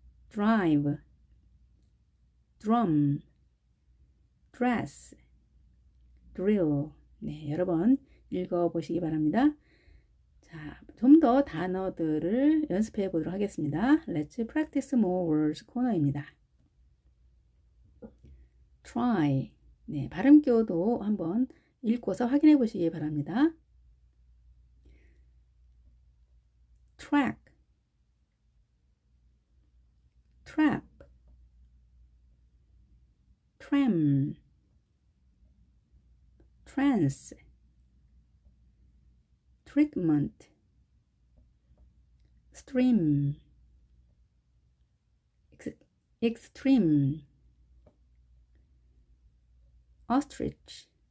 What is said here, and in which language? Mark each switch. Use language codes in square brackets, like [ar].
[en] drive, drum, dress, drill. [ko] 네, 여러 번 읽어보시기 바랍니다. 자, 좀더 단어들을 연습해 보도록 하겠습니다. [en] Let's practice more words [ko] 코너입니다. [en] try. [ko] 네, 발음 기호도 한번 읽고서 확인해 보시기 바랍니다. [en] track, trap, tram, trance, treatment, stream, extreme, ostrich,